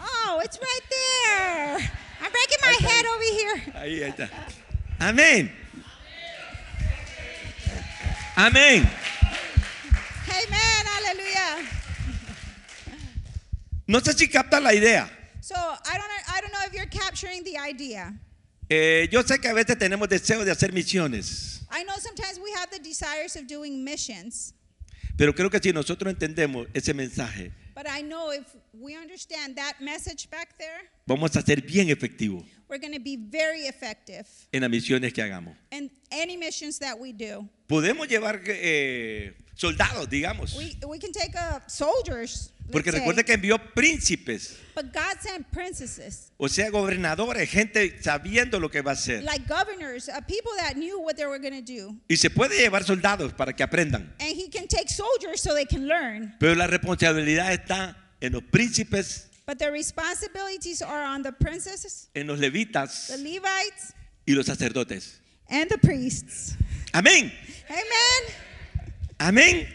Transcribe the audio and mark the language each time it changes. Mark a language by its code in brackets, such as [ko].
[en] Oh, it's right there. I'm breaking my head over here. [es] Ahí está. Amén. Amén. [en] Amen. Aleluya. [es] No sé si capta la idea. [en] So, I don't know if you're capturing the idea. [es] Yo sé que a veces tenemos deseo de hacer misiones. [en] I know sometimes we have the desires of doing missions. [es] Pero creo que si nosotros entendemos ese mensaje, [en] but I know if we understand that message back there, [es] vamos a ser bien efectivos. [en] We're going to be very effective. [es] En las misiones que hagamos. [en] And any missions that we do. [es] Podemos llevar soldados, digamos. [en] We can take up soldiers. [es] Porque recuerda que envió príncipes. [en] But God sent princesses. [es] O sea, gobernadores, gente sabiendo lo que va a hacer. [en] Like governors, people that knew what they were going to do. [es] Y se puede llevar soldados para que aprendan. [en] And he can take soldiers so they can learn. [es] Pero la responsabilidad está en los príncipes. [en] But the responsibilities are on the princes, [es] en los levitas, [en] the Levites, [es] y los sacerdotes, [en] and the priests. [es] Amén. [en] Amen. [es] Amén.